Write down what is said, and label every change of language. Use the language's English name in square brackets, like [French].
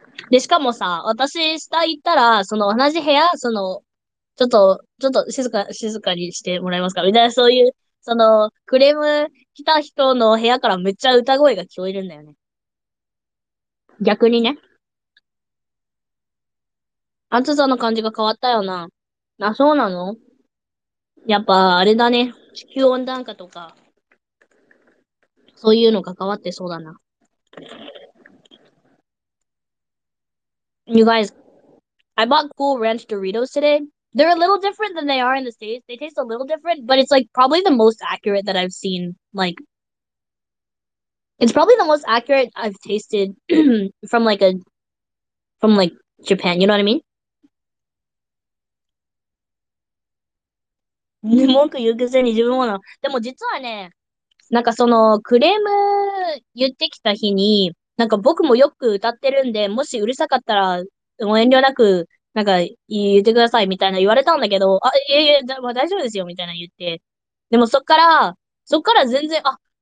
[Japanese] で、しかもさ、私下行ったら、その同じ部屋、その、ちょっと静かにしてもらえますか？みたいな、そういう、その、クレーム来た人の部屋からめっちゃ歌声が聞こえるんだよね。逆にね。暑さの感じが変わったよな。あ、そうなの？やっぱ、あれだね。地球温暖化とか、そういうの関わってそうだな。 [English] You guys, I bought Cool Ranch Doritos today. They're a little different than they are in the States. They taste a little different, but it's like probably the most accurate that I've seen. Like, it's probably the most accurate I've tasted from like Japan. You know what I mean? [Japanese] 文句言うくせに自分もな。でも実はね、なんかそのクレーム言ってきた日に、なんか僕もよく歌ってるんで、もしうるさかったら、もう遠慮なく、なんか、言ってくださいみたいな言われたんだけど、あ、いやいや、まあ、大丈夫ですよみたいな言って。でもそっから全然、あ、